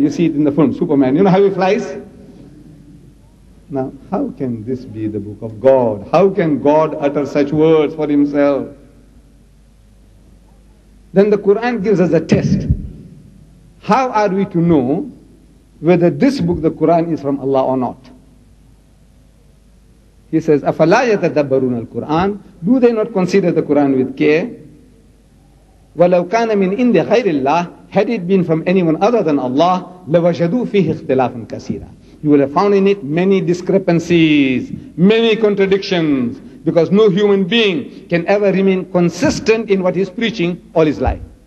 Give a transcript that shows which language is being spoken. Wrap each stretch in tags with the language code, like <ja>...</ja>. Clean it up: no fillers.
<en>You see it in the film, Superman. You know how he flies? Now, how can this be the book of God? How can God utter such words for himself? Then the Quran gives us a test. How are we to know whether this book, the Quran, is from Allah or not? He says,</en> <ar>أَفَلَا يَتَدَبَّرُونَ الْقُرْآنَ.</ar> <en>Do they not consider the Quran with care?</en> <ar>وَلَوْ كَانَ مِنْ إِنْدِ غَيْرِ اللَّهِ.</ar> <en>Had it been from anyone other than Allah,</en> <ar>لَوَجَدُوا فِيهِ اخْتِلَافٌ كَثِيرًا.</ar> <en>You would have found in it many discrepancies, many contradictions, because no human being can ever remain consistent in what he's preaching all his life.</en>